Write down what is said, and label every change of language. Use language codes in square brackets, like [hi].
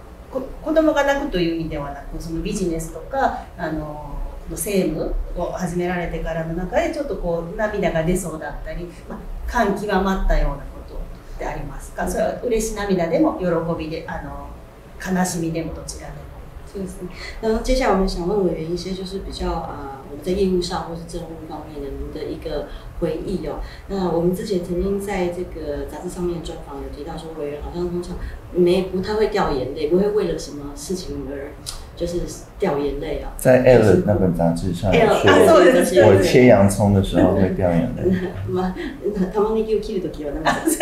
[ja] 子供が泣くという意味ではなく、そのビジネスとか政務を始められてからの中でちょっとこう涙が出そうだったり、まあ、感極まったようなことってありますか。それは嬉し涙でも喜びで悲しみでもどちらでも。そうですね。 [zh] 然后接下来我们想问委员一些就是比较我们在业务上或是政务方面的您的一个回忆哦。那我们之前曾经在这个杂志上面专访有提到说，委员好像通常不太会掉眼泪，不会为了什么事情而。就是掉眼泪啊，在《Elle》那本杂志上说，我切洋葱的时候会掉眼泪。 [ja] 玉ねぎを切るときはなんか。